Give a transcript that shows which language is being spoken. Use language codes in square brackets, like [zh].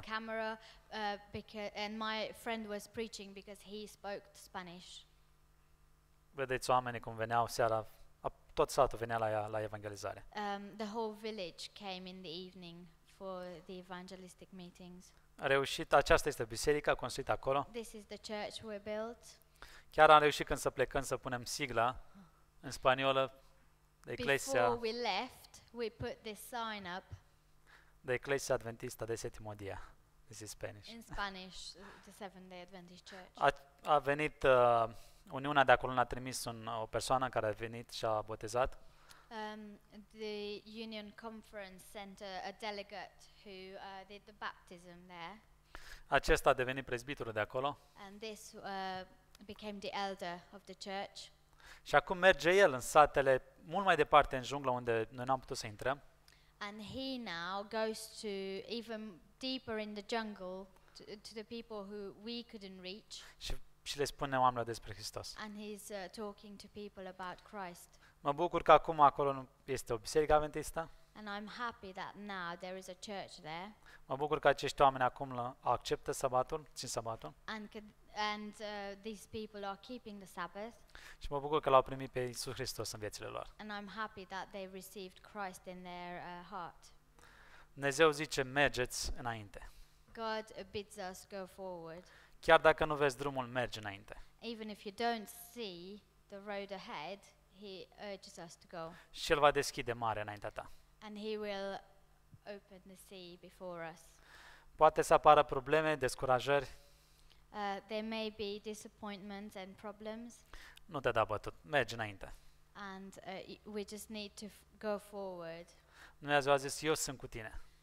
[en] The camera, because and my friend was preaching because he spoke Spanish. [ro] Vedeți oamenii cum veneau seara, tot satul venea la ea, la evangelizare. [en] The whole village came in the evening for the evangelistic meetings. [ro] A reușit, aceasta este biserica construită acolo. [en] This is the church we built. [ro] Chiar am reușit când să plecăm să punem sigla în spaniolă. [es] Ecclesia, [en] before we left, we put this sign up. The Ecclesia Adventista de Settimo Dia. This is Spanish. In Spanish, the Seventh-day Adventist Church. [ro] A venit Uniunea de acolo a trimis o persoană care a venit și a botezat. [en] The Union Conference sent a delegate who did the baptism there. [ro] Acesta a devenit presbiterul de acolo. [en] And this became the elder of the church. [ro] Și acum merge el în satele mult mai departe în junglă unde noi n-am putut să intrăm. [en] And he now goes to even deeper in the jungle to the people who we couldn't reach. [ro] Și le spune oamenilor despre Hristos. [en] And he's talking to people about Christ. [ro] Mă bucur că acum acolo nu este o biserică adventistă. [en] And I'm happy that now there is a church there. [ro] Mă bucur că acești oameni acum acceptă sabatul, țin sabatul. [en] And these people are keeping the Sabbath. [ro] Și mă bucur că l-au primit pe Iisus Hristos în viețile lor. [en] And I'm happy that they received Christ in their heart. [ro] Dumnezeu zice, mergeți înainte. [en] God bids us go forward. [ro] Chiar dacă nu vezi drumul, merge înainte. [en] Even if you don't see the road ahead, he urges us to go. [ro] Și el va deschide mare înaintea ta. [en] And he will open the sea before us. [ro] Poate să apară probleme, descurajări. [en] There may be disappointments and problems. [ro] Nu te da bătut, merge înainte. [en] And we just need to go forward. [ro] Dumnezeu a zis, eu sunt cu tine.